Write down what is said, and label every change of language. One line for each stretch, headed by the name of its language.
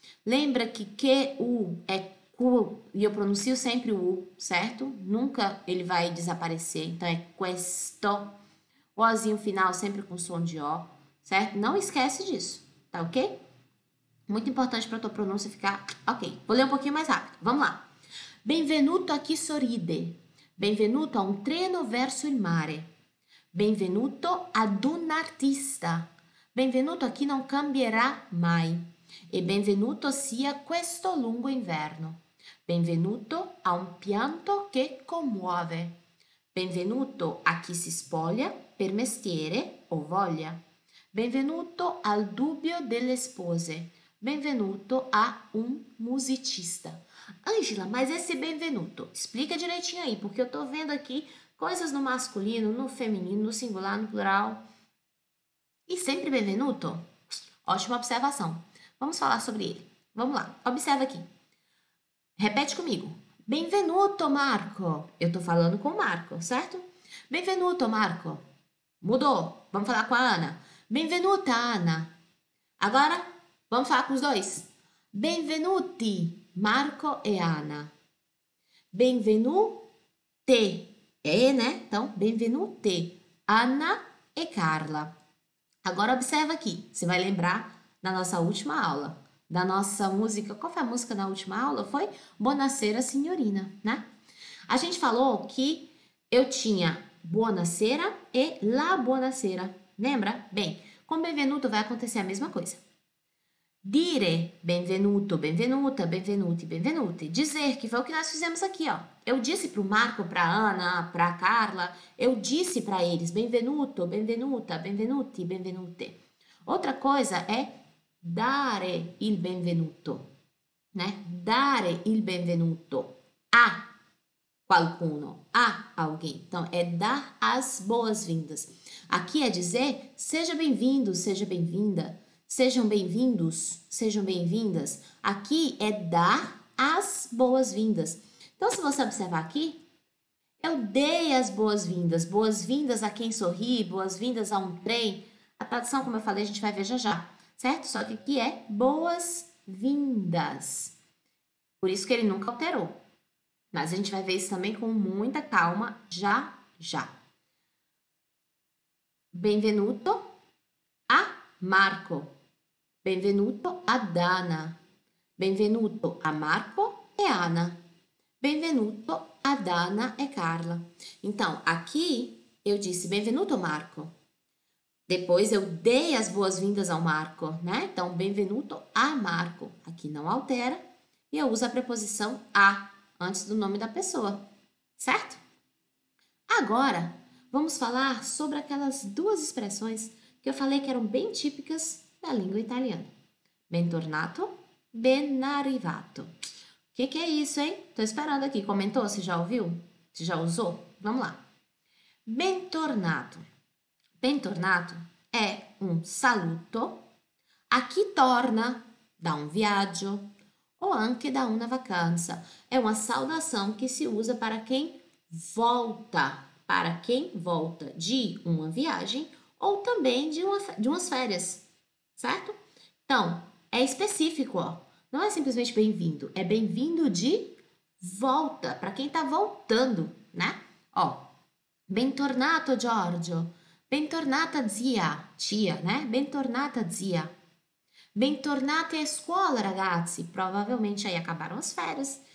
Portuguese: Lembra que Q, U é cu, e eu pronuncio sempre o U, certo? Nunca ele vai desaparecer, então é questo. O ozinho final sempre com som de O. Certo? Não esquece disso, tá ok? Muito importante para tua pronúncia ficar ok. Vou ler um pouquinho mais rápido. Vamos lá.
Italian: Benvenuto a chi sorride. Benvenuto a un treno verso il mare. Benvenuto ad un artista. Benvenuto a chi non cambierà mai. E benvenuto sia questo lungo inverno. Benvenuto a un pianto che commuove. Benvenuto a chi si spoglia per mestiere o voglia. Benvenuto al dubbio delle spose. Benvenuto a un musicista.
Portuguese: Angela, mas esse benvenuto, explica direitinho aí, porque eu tô vendo aqui coisas no masculino, no feminino, no singular, no plural. E sempre benvenuto? Ótima observação. Vamos falar sobre ele. Vamos lá, observa aqui. Repete comigo. Benvenuto, Marco. Eu tô falando com o Marco, certo? Benvenuto, Marco. Mudou. Vamos falar com a Ana.
Italian: Benvenuta, Ana.
Portuguese: Agora, vamos falar com os dois.
Italian: Benvenuti, Marco e Ana. Benvenute.
Portuguese: É, né? Então, benvenute, Ana e Carla. Agora, observa aqui. Você vai lembrar da nossa última aula. Da nossa música. Qual foi a música na última aula? Foi Buonasera, Signorina, né? A gente falou que eu tinha Buonasera e La Buonasera. Lembra? Bem, com benvenuto vai acontecer a mesma coisa.
Italian: Dire benvenuto, benvenuta, benvenuti, benvenuti.
Portuguese: Dizer, que foi o que nós fizemos aqui, ó. Eu disse pro Marco, pra Ana, pra Carla, eu disse pra eles benvenuto, benvenuta, benvenuti, benvenute. Outra coisa é
Italian: dare il benvenuto,
Portuguese: né?
Italian: Dare il benvenuto a qualcuno,
Portuguese: a alguém. Então, é dar as boas-vindas. Aqui é dizer, seja bem-vindo, seja bem-vinda. Sejam bem-vindos, sejam bem-vindas. Aqui é dar as boas-vindas. Então, se você observar aqui, eu dei as boas-vindas. Boas-vindas a quem sorri, boas-vindas a um trem. A tradução, como eu falei, a gente vai ver já, certo? Só que aqui é boas-vindas. Por isso que ele nunca alterou. Mas a gente vai ver isso também com muita calma, já.
Italian: Benvenuto a Marco. Benvenuto a Dana. Benvenuto a Marco e Ana. Benvenuto a Dana e Carla.
Portuguese: Então, aqui eu disse benvenuto Marco. Depois eu dei as boas-vindas ao Marco, né? Então,
Italian: benvenuto a Marco.
Portuguese: Aqui não altera e eu uso a preposição a antes do nome da pessoa, certo? Agora, vamos falar sobre aquelas duas expressões que eu falei que eram bem típicas da língua italiana.
Italian: Bentornato, ben arrivato.
Portuguese: Que é isso, hein? Tô esperando aqui. Comentou? Você já ouviu? Você já usou? Vamos lá.
Italian: Bentornato. Bentornato
Portuguese: é um
Italian: saluto a chi torna da un viaggio
Portuguese: ou
Italian: anche da una vacanza.
Portuguese: É uma saudação que se usa para quem volta. Para quem volta de uma viagem ou também de umas férias, certo? Então, é específico, ó. Não é simplesmente bem-vindo, é bem-vindo de volta, para quem tá voltando, né?
Italian: Ó, bentornato, Giorgio. Bentornata, zia.
Portuguese: Tia, né?
Italian: Bentornata, zia. Bentornati a scuola, ragazzi.
Portuguese: Provavelmente aí acabaram as férias.